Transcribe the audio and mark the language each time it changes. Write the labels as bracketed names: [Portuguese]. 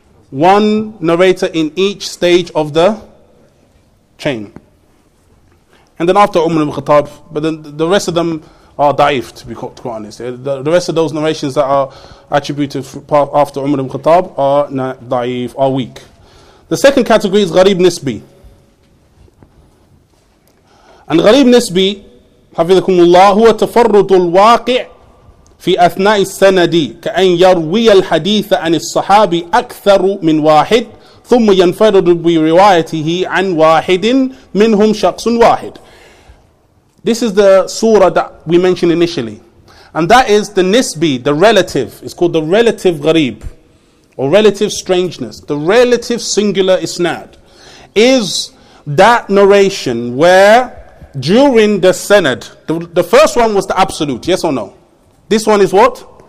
[English] One narrator in each stage of the chain. And then after Umar ibn Khattab, but then the rest of them are da'if, to be quite honest. The rest of those narrations that are attributed after Umar ibn Khattab are da'if, are weak. The second category is gharib nisbi. [Arabic] And gharib nisbi, حفظكم الله هو تفرد الواقع في أثناء السند كأن يروي الحديث عن الصحابي أكثر من واحد ثم ينفرد بروايته عن واحد منهم شخص واحد. [English] This is the surah that we mentioned initially, and that is the nisbi, the relative. It's called the relative gharib or relative strangeness. The relative singular isnad is that narration where during the sanad, the first one was the absolute, yes or no? This one is what?